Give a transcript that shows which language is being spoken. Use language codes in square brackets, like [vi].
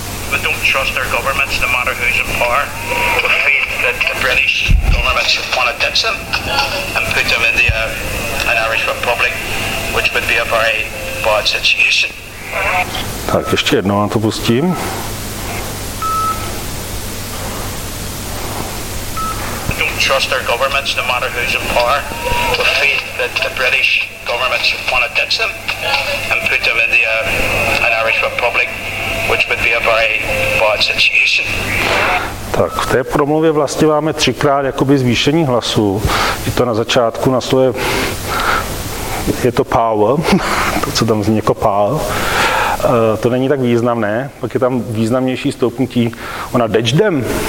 [en] We don't trust our governments, no matter who's in power. We feel that the British government should want to ditch them and put them in the an Irish Republic, which would be a very bad situation. [cs] Tak ještě jedno vám to pustím. [en] Trust our governments, no matter who's in power. We feel that the British government should want to ditch them and put them in the an Irish Republic, which would be a very bad situation. [cs] Tak v té promluvě vlastně máme třikrát jakoby zvýšení hlasů. Je to na začátku na slově, je to power, to co tam zní jako power. To není tak významné, pak je tam významnější stoupnutí, ona ditch them.